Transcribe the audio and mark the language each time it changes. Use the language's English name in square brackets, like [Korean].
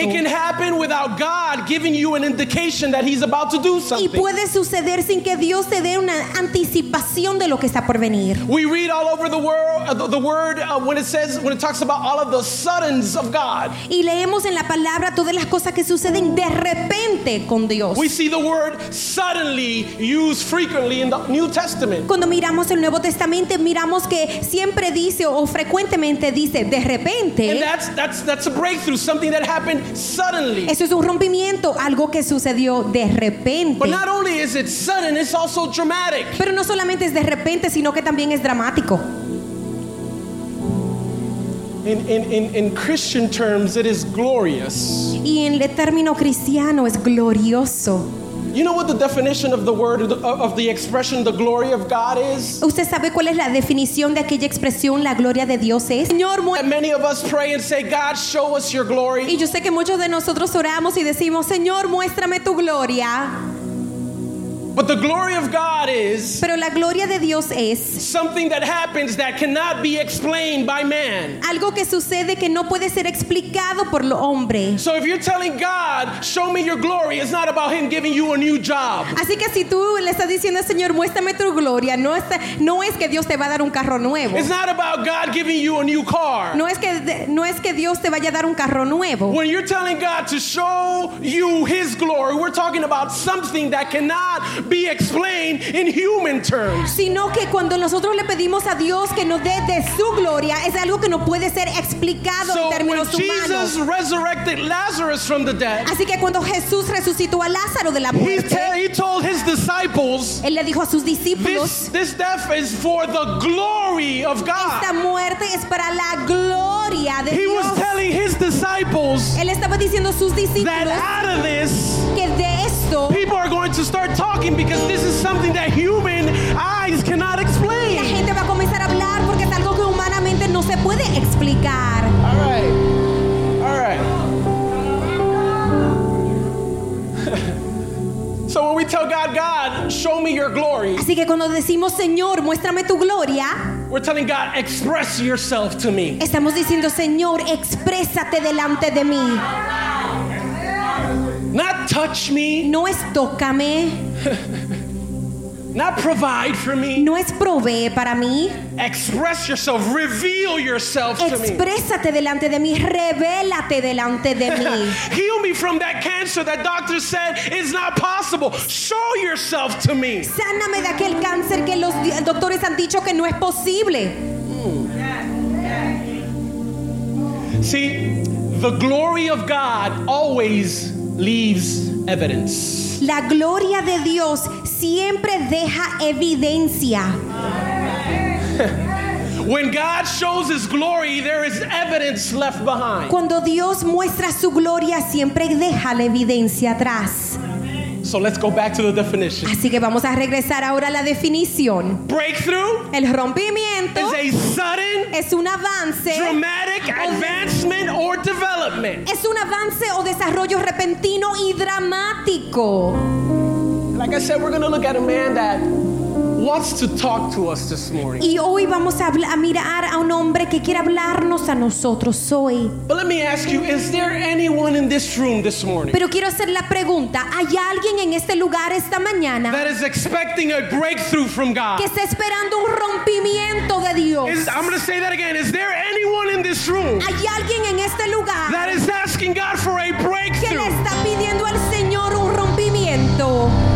[English] It can happen without God giving you an indication that he's about to do something. [Spanish] Y puede suceder sin que Dios te dé una anticipación de lo que está por venir. [English] We read all over the world the word when it talks about all of the suddens of God. [Spanish] Y leemos en la palabra todas las cosas que suceden de repente con Dios. [English] We see the word suddenly used frequently in the New Testament. [Spanish] Cuando miramos el Nuevo Testamento, miramos que siempre dice o frecuentemente dice de repente. [English] And that's a breakthrough, something that happened suddenly. [Spanish] Eso es un rompimiento, algo que sucedió de repente. [English] But not only is it sudden, it's also dramatic. [Spanish] Pero no solamente es de repente, sino que también es dramático. [English] In Christian terms, it is glorious. [Spanish] Y en el término cristiano es glorioso. [English] You know what the definition of the word of the expression the glory of God is? [Spanish] ¿Usted sabe cuál es la definición de aquella expresión la gloria de Dios es? Señor, [English] and many of us pray and say, God, show us your glory. [Spanish] Y yo sé que muchos de nosotros oramos y decimos, Señor, muéstrame tu gloria. [English] But the glory of God is [Spanish] pero la gloria de Dios es [English] something that happens that cannot be explained by man. [Spanish] Algo que sucede que no puede ser explicado por lo hombre. [English] So if you're telling God, show me your glory, it's not about him giving you a new job. [Spanish] Así que si tú le estás diciendo, Señor, muéstrame tu gloria, no es que Dios te va a dar un carro nuevo. [English] It's not about God giving you a new car. [Spanish] No es que Dios te vaya a dar un carro nuevo. [English] When you're telling God to show you his glory, we're talking about something that cannot be explained in human terms. [Spanish] Sino que cuando nosotros le pedimos a Dios que nos dé de su gloria, es algo que no puede ser explicado en términos humanos. [English] So when Jesus resurrected Lazarus from the dead, [Spanish] así que cuando Jesús resucitó a Lázaro de la muerte, [English] he told his disciples, [Spanish] él le dijo a sus discípulos, [English] this death is for the glory of God. [Spanish] Esta muerte es para la gloria de Dios. [English] He was telling his disciples, [Spanish] él estaba diciendo a sus discípulos, [English] that out of this, [Spanish] que de esto, [English] people are going to start talking because this is something that human eyes cannot explain. [Spanish] La gente va a comenzar a hablar porque es algo que humanamente no se puede explicar. [English] All right. So when we tell God, God, show me your glory. [Spanish] Así que cuando decimos, Señor, muéstrame tu gloria. [English] We're telling God, express yourself to me. [Spanish] Estamos diciendo, Señor, exprésate delante de mí. [English] Not touch me. [Spanish] No es tócame. [English] Not provide for me. [Spanish] No es provee para mí. [English] Express yourself. Reveal yourself to me. [Spanish] Exprésate delante de mí. Revélate delante de mí. [English] Heal me from that cancer that doctors said is not possible. Show yourself to me. [Spanish] Sáname de aquel cáncer que los doctores han dicho que no es posible. [English] See, the glory of God always leaves evidence. [Spanish] La gloria de Dios siempre deja evidencia. [English] When God shows his glory, there is evidence left behind. [Spanish] Cuando Dios muestra su gloria, siempre deja la evidencia atrás. [English] So let's go back to the definition. [Spanish] Así que vamos a regresar ahora a la definición. [English] Breakthrough. [Spanish] El rompimiento. [English] Is a sudden. [Spanish] Es un avance. [English] Dramatic advancement or development. [Spanish] Es un avance o desarrollo repentino y dramático. [English] Like I said, we're going to look at a man that wants to talk to us this morning. [Spanish] Y hoy vamos a mirar a un hombre que quiere hablarnos a nosotros hoy. [English] But let me ask you, is there anyone in this room this morning? [Spanish] Pero quiero hacer la pregunta, ¿hay alguien en este lugar esta mañana? [English] That is expecting a breakthrough from God. [Spanish] Que está esperando un rompimiento de Dios. [English] I'm going to say that again. Is there anyone in this room? [Spanish] ¿Hay alguien en este lugar? [English] That is asking God for a breakthrough. [Spanish] Que le está pidiendo al Señor un rompimiento.